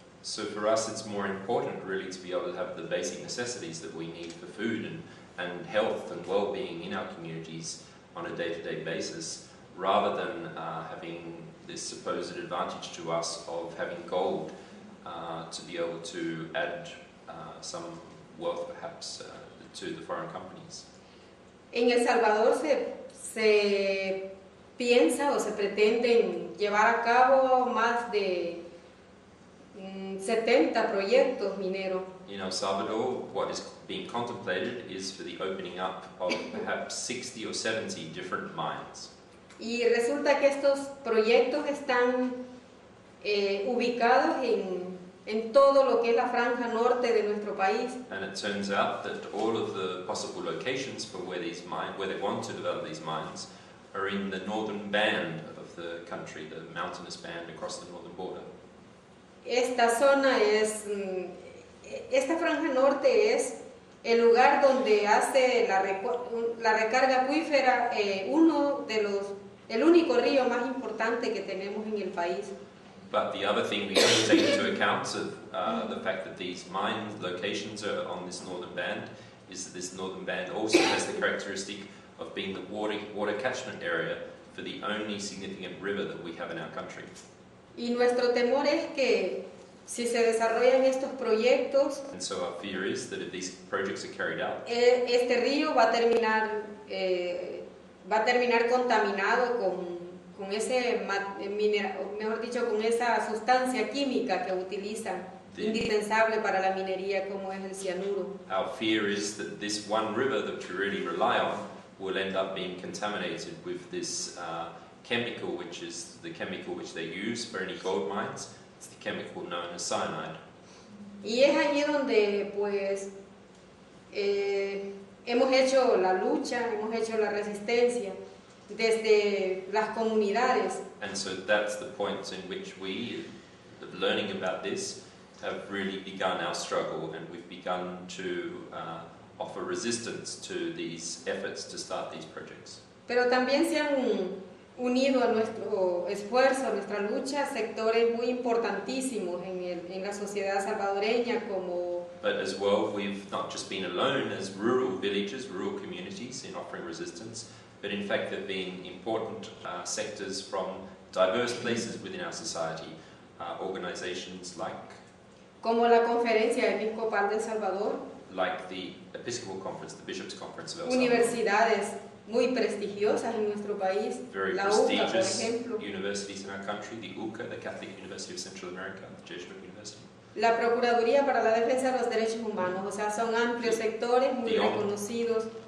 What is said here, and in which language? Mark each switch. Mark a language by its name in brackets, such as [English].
[English] So for us it's more important really to be able to have the basic necessities that we need for food and health and well-being in our communities on a day-to-day basis rather than having this supposed advantage to us of having gold to be able to add some wealth perhaps to the foreign companies. [Spanish] En El Salvador se piensa o se pretende llevar a cabo más de 70 proyectos mineros. [English] In El Salvador, what is being contemplated is for the opening up of perhaps 60 or 70 different mines. [Spanish] Y resulta que estos proyectos están ubicados en todo lo que es la franja norte de nuestro país. [English] And it turns out that all of the possible locations for where these mines, where they want to develop these mines, are in the northern band of the country, the mountainous band across the northern border. [Spanish] Esta zona es, esta franja norte es el lugar donde hace la recarga acuífera el único río más importante que tenemos en el país. [English] But the other thing we have to take into account of the fact that these mine locations are on this northern band is that this northern band also has the characteristic of being the water catchment area for the only significant river that we have in our country. [Spanish] Y nuestro temor es que si se desarrollan estos proyectos, [English] and so our fear is that if these projects are carried out, [Spanish] este río va a terminar contaminado con ese mineral, mejor dicho, con esa sustancia química que utilizan, indispensable para la minería, como es el cianuro. [English] Our fear is that this one river that we really rely on will end up being contaminated with this chemical, which is the chemical which they use for any gold mines. It's the chemical known as cyanide. [Spanish] Y es allí donde, pues, hemos hecho la lucha, hemos hecho la resistencia desde las comunidades. [English] And so that's the point in which we, learning about this, have really begun our struggle, and we've begun to offer resistance to these efforts to start these projects. [Spanish] Pero también se han unido a nuestro esfuerzo, a nuestra lucha, sectores muy importantísimos en la sociedad salvadoreña como... [English] But as well, we've not just been alone as rural villages, rural communities in offering resistance, but in fact there have been important sectors from diverse places within our society, organizations like... [Spanish] Como la Conferencia Episcopal del Salvador. [English] Like the Episcopal Conference, the Bishops' Conference of El Salvador. [Spanish] Universidades muy prestigiosas en nuestro país. [English] Very [Spanish] la [English] prestigious [Spanish] UCA, por ejemplo. [English] Universities in our country, the UCA, the Catholic University of Central America, the Jesuit University. [Spanish] La Procuraduría para la Defensa de los Derechos Humanos, o sea, son amplios sectores muy reconocidos.